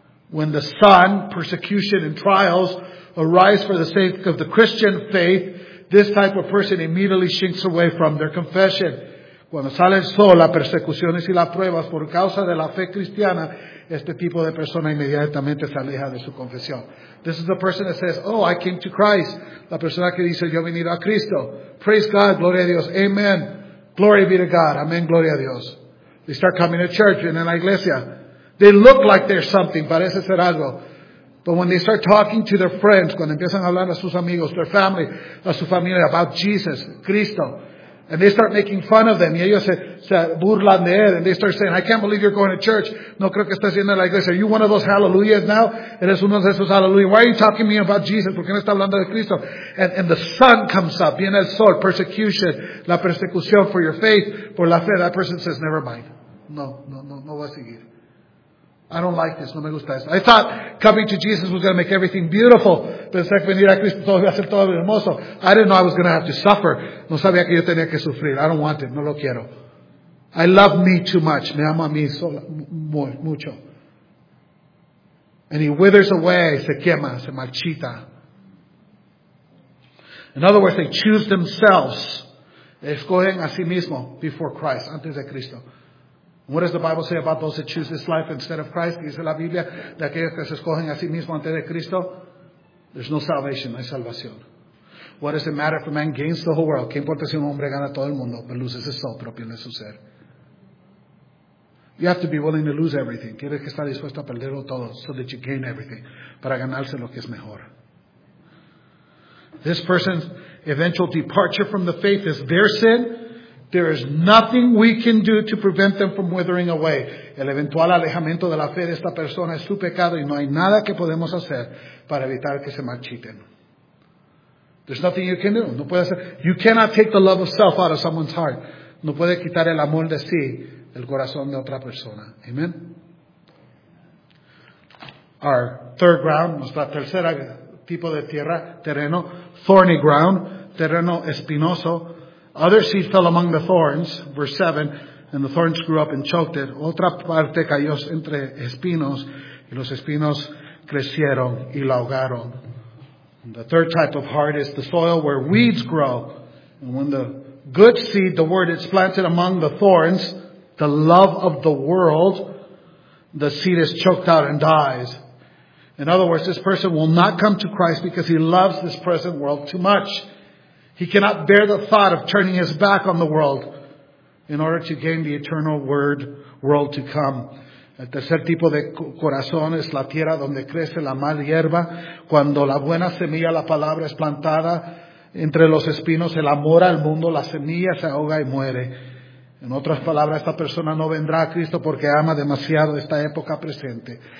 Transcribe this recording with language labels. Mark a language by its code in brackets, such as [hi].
[en] When the sun, persecution and trials arise for the sake of the Christian faith, this type of person immediately shrinks away from their confession. [es] Cuando sale el sol, las persecuciones y las pruebas por causa de la fe cristiana, este tipo de persona inmediatamente se aleja de su confesión. [en] This is the person that says, oh, I came to Christ. [es] La persona que dice, yo he venido a Cristo. [en] Praise God, [es] gloria a Dios. Amen. [en] Glory be to God. [es] Amen, gloria a Dios. [en] They start coming to church and in [es] la iglesia. [en] They look like they're something. [es] Parece ser algo. [en] But when they start talking to their friends, [es] cuando empiezan a hablar a sus amigos, [en] their family, [es] a su familia, [en] about Jesus, Cristo, and they start making fun of them, [es] y ellos se burlan de él, [en] and they start saying, I can't believe you're going to church. [es] No creo que estés yendo a la iglesia. [en] Are you one of those hallelujahs now? [es] Eres uno de esos hallelujahs. [en] Why are you talking to me about Jesus? [es] ¿Por qué no está hablando de Cristo? [en] And the sun comes up, [es] viene el sol, [en] persecution, [es] la persecución [en] for your faith, [es] por la fe. [en] That person says, never mind. [es] No voy a seguir. [en] I don't like this. [es] No me gusta esto. [en] I thought coming to Jesus was going to make everything beautiful. [es] Pensé que venir a Cristo todo iba a ser todo hermoso. [en] I didn't know I was going to have to suffer. [es] No sabía que yo tenía que sufrir. [en] I don't want it. [es] No lo quiero. [en] I love me too much. [es] Me amo a mí sola, mucho. [en] And he withers away, [es] se quema, se marchita. [en] In other words, they choose themselves. [es] Escogen a sí mismo [en] before Christ, [es] antes de Cristo. [en] What does the Bible say about those that choose this life instead of Christ? [es] Dice la Biblia, de aquellos que se escogen a sí mismo antes de Cristo, [en] there's no salvation, [es] no hay salvación. [en] What does it matter if a man gains the whole world? [es] ¿Qué importa si un hombre gana todo el mundo, pero [en] loses his soul, [es] pero pierde su ser? [en] You have to be willing to lose everything. [es] Quieres que estar dispuesto a perderlo todo, [en] so that you gain everything, [es] para ganarse lo que es mejor. [en] This person's eventual departure from the faith is their sin. There is nothing we can do to prevent them from withering away. [es] El eventual alejamiento de la fe de esta persona es su pecado y no hay nada que podemos hacer para evitar que se marchiten. [en] There's nothing you can do. [es] No puede hacer. [en] You cannot take the love of self out of someone's heart. [es] No puede quitar el amor de sí del corazón de otra persona. [en] Amen. Our third ground, [es] nuestra tercera tipo de tierra, terreno, [en] thorny ground, [es] terreno espinoso. [en] Other seed fell among the thorns, verse 7, and the thorns grew up and choked it. [es] Otra parte cayó entre espinos, y los espinos crecieron y lo ahogaron. [en] The third type of heart is the soil where weeds grow. And when the good seed, the word, is planted among the thorns, the love of the world, the seed is choked out and dies. In other words, this person will not come to Christ because he loves this present world too much. He cannot bear the thought of turning his back on the world in order to gain the eternal word world to come. [es] El tercer tipo de corazón es la tierra donde crece la mal hierba. Cuando la buena semilla, la palabra, es plantada entre los espinos, el amor al mundo, la semilla se ahoga y muere. En otras palabras, esta persona no vendrá a Cristo porque ama demasiado esta época presente.